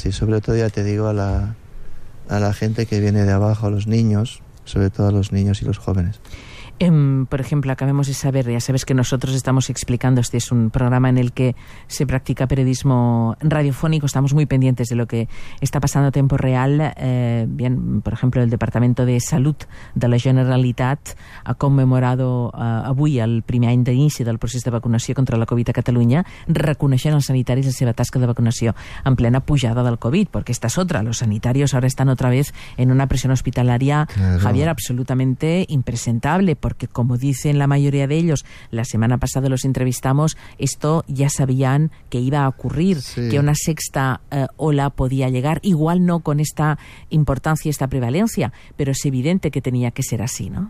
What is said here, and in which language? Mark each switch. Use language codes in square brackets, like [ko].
[es] Sí, sobre todo ya te digo a la gente que viene de abajo, a los niños, sobre todo a los niños y los jóvenes. Por ejemplo, acabemos de saber, ya sabes que nosotros estamos explicando, este es un programa en el que se practica periodismo radiofónico, estamos muy pendientes de lo que está pasando a tiempo real. Bien, por ejemplo, el Departamento de Salud de la Generalitat ha conmemorado [ca] avui el primer any d'inici del procés de vacunació contra la Covid a Catalunya, reconeixent als sanitaris la seva tasca de vacunació en plena pujada del Covid, perquè [es] esta és otra, los sanitarios ahora están otra vez en una presión hospitalaria, claro. Javier, absolutamente impresentable, porque como dicen la mayoría de ellos, la semana pasada los entrevistamos, esto ya sabían que iba a ocurrir, sí, que una sexta ola podía llegar, igual no con esta importancia y esta prevalencia, pero es evidente que tenía que ser así, ¿no?